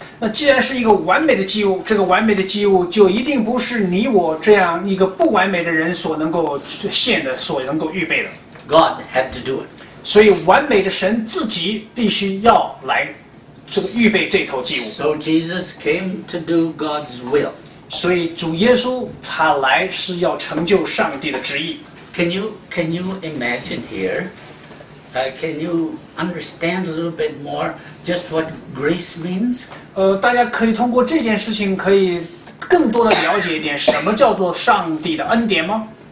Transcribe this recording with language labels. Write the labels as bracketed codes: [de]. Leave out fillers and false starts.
[zh] 那既然是一个完美的祭物，这个完美的祭物就一定不是你我这样一个不完美的人所能够献的，所能够预备的。 [en] God had to do it. [zh] 所以完美的神自己必须要来预备这头祭物。 [en] So Jesus came to do God's will. [zh] 所以主耶稣他来是要成就上帝的旨意。 [en] Can you imagine here Can you understand a little bit more just what grace means? [zh] 大家可以通过这件事情可以更多的了解一点什么叫做上帝的恩典吗？